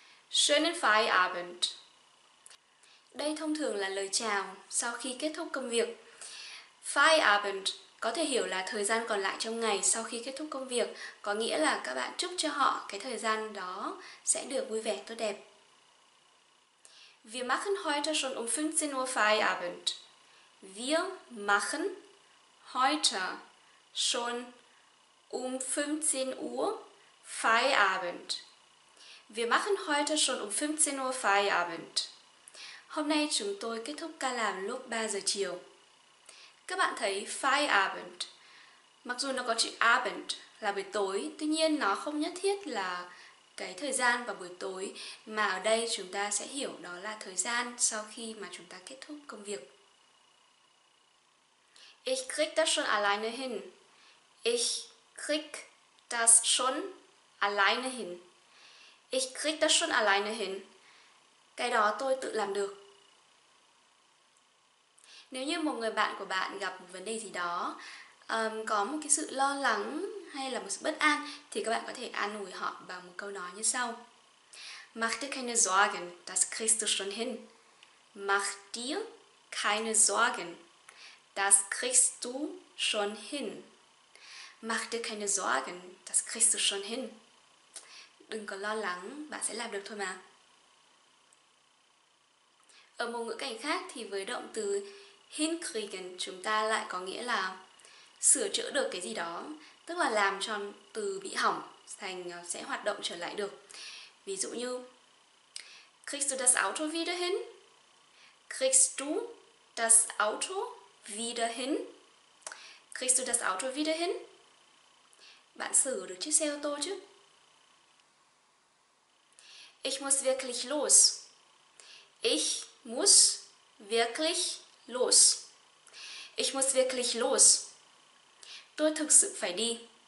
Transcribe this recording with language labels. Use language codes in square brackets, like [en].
[de] Schönen Feierabend. [vi] Đây thông thường là lời chào sau khi kết thúc công việc. Feierabend có thể hiểu là thời gian còn lại trong ngày sau khi kết thúc công việc, có nghĩa là các bạn chúc cho họ cái thời gian đó sẽ được vui vẻ tốt đẹp. [de] Wir machen heute schon um 15 Uhr Feierabend. Wir machen heute schon um 15 Uhr Feierabend. Wir machen heute schon um 15 Uhr Feierabend. [vi] Hôm nay chúng tôi kết thúc ca làm lúc 3 giờ chiều. Các bạn thấy Feierabend, mặc dù nó có chữ Abend là buổi tối, tuy nhiên nó không nhất thiết là cái thời gian vào buổi tối, mà ở đây chúng ta sẽ hiểu đó là thời gian sau khi mà chúng ta kết thúc công việc. [de] Ich krieg das schon alleine hin. Ich krieg das schon alleine hin. Ich krieg das schon alleine hin. [vi] Cái đó tôi tự làm được. Nếu như một người bạn của bạn gặp một vấn đề gì đó, có một cái sự lo lắng hay là một sự bất an, thì các bạn có thể an ủi họ bằng một câu nói như sau. [de] Mach dir keine Sorgen, das kriegst du schon hin. Mach dir keine Sorgen, das kriegst du schon hin. Mach dir keine Sorgen, das kriegst du schon hin. [vi] Đừng có lo lắng, bạn sẽ làm được thôi mà. Ở một ngữ cảnh khác thì với động từ hinkriegen, chúng ta lại có nghĩa là sửa chữa được cái gì đó, tức là làm cho từ bị hỏng thành sẽ hoạt động trở lại được. Ví dụ như [de] kriegst du das Auto wieder hin? Kriegst du das Auto wieder hin? Kriegst du das Auto wieder hin? [vi] Bạn sửa được chiếc xe ô tô chứ? [de] Ich muss wirklich los. Ich muss wirklich los. Ich muss wirklich los. [vi] Tôi thực sự phải đi.